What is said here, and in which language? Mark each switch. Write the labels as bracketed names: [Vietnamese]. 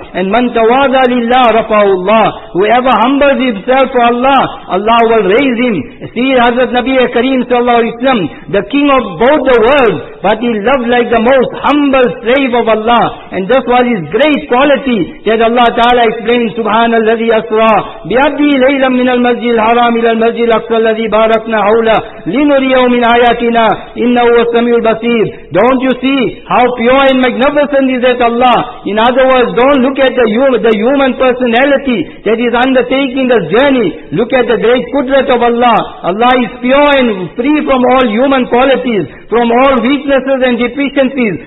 [English] And [Arabic] man tawaza lillah rafa'u Allah. [English] Whoever humbles himself for Allah, Allah will raise him. See Hazrat Nabi Kareem sallallahu alaihi wasallam, the king of both the worlds, but he loved like the most humble slave of Allah. And this was his great quality, that Allah ta'ala explained, [Arabic] subhanallazi asra bi abdi layla min المسجد الحرام إلى المسجد الأقصى الذي باركنا حوله لنريه من آياتنا إنه هو السميع البصير. [English] Don't you see how pure and magnificent is that Allah? In other words, don't look at the human personality that is undertaking this journey. Look at the great kudrat of Allah. Allah is pure and free from all human qualities, from all weaknesses and deficiencies.